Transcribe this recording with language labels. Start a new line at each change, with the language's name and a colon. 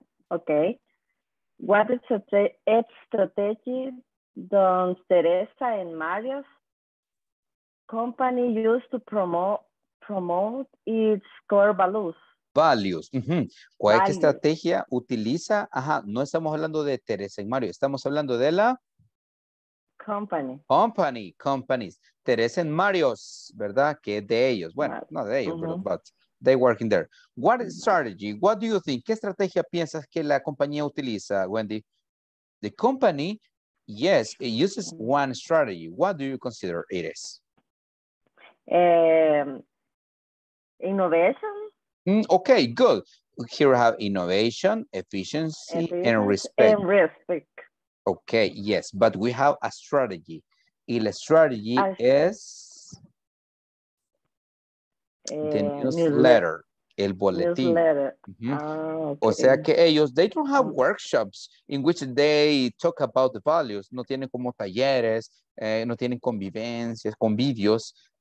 English: Okay. What is the strategy does Teresa and Mario's company use to promote its core values?
Spanish: Values. Mm-hmm. ¿Cuál values. Es que estrategia utiliza? Ajá, no estamos hablando de Teresa y Mario, estamos hablando de la...
English: Companies.
Spanish: Teresa y Mario's, ¿verdad? Que es de ellos. Bueno, no de ellos, uh-huh.
English: But they work in there. What strategy? What do you think?
Spanish: ¿Qué estrategia piensas que la compañía utiliza, Wendy?
English: The company, yes, it uses one strategy. What do you consider it is? Innovation. Okay, good. Here we have innovation, efficiency, and respect. And respect. Okay, yes, but we have a strategy. Y la strategy is the newsletter,
Spanish: el boletín.
English: Newsletter. Mm-hmm. Okay.
Spanish: O sea que ellos,
English: they don't have workshops in which they talk about the values.
Spanish: No tienen como talleres, no tienen convivencias, convivios.